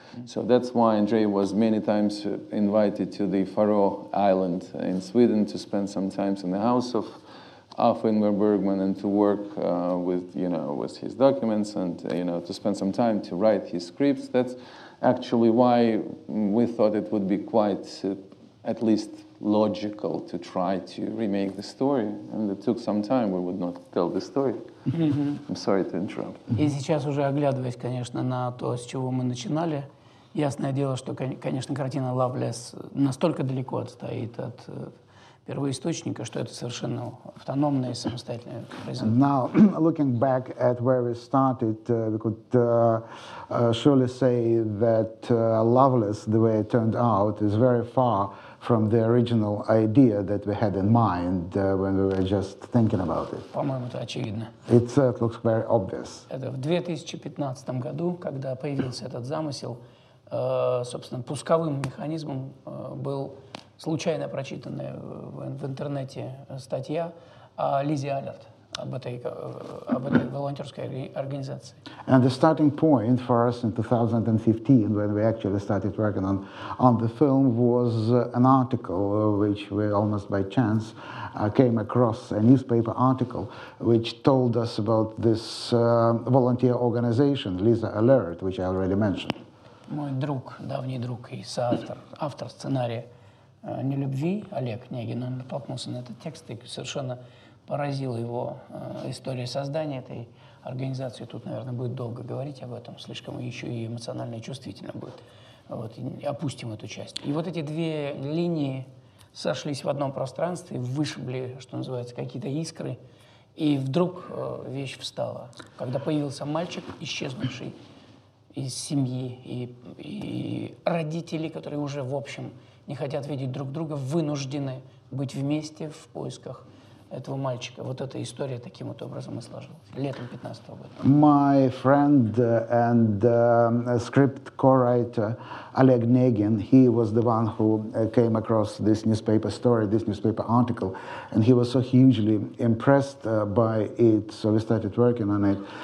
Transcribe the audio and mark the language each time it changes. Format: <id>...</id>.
<en>So that's why Andrei was many times invited to the Faroe Island in Sweden to spend some time in the house of Ingmar Bergman and to work with his documents and to spend some time to write his scripts. That's actually why we thought it would be quite at least logical to try to remake the story. And it took some time. We would not tell the story. Mm-hmm. I'm sorry to interrupt.</en> <ru>И сейчас уже оглядываясь, конечно, на то, с чего мы начинали. Ясное дело, что, конечно, картина «Loveless» настолько далеко отстоит от первоисточника, что это совершенно автономное и самостоятельное произведение.</ru> <en>Now, looking back at where we started, we could surely say that «Loveless», the way it turned out, is very far from the original idea that we had in mind when we were just thinking about it.</en> <ru>По-моему, это очевидно.</ru> <en>It looks very obvious.</en> <ru>Это в 2015 году, когда появился этот замысел, собственно, пусковым механизмом был случайно прочитанная в интернете статья о Лизе Алерт, об этой волонтерской организации.</ru> <en>And the starting point for us in 2015, when we actually started working on the film, was an article which we almost by chance came across, a newspaper article which told us about this volunteer organization, Lisa Alert, which I already mentioned.</en> <ru>Мой друг, давний друг и соавтор, автор сценария «Нелюбви», Олег Негин, он натолкнулся на этот текст и совершенно поразила его история создания этой организации. Тут, наверное, будет долго говорить об этом, слишком еще и эмоционально и чувствительно будет. Вот, опустим эту часть. И вот эти две линии сошлись в одном пространстве, вышибли, что называется, какие-то искры, и вдруг вещь встала. Когда появился мальчик, исчезнувший, из семьи, и родители, которые уже, в общем, не хотят видеть друг друга, вынуждены быть вместе в поисках этого мальчика. Вот эта история таким вот образом и сложилась. Летом 15-го года.</ru> <en>My friend and script co-writer Oleg Negin, he was the one who came across this newspaper story, this newspaper article, and he was so hugely impressed by it, so we started working on it.</en>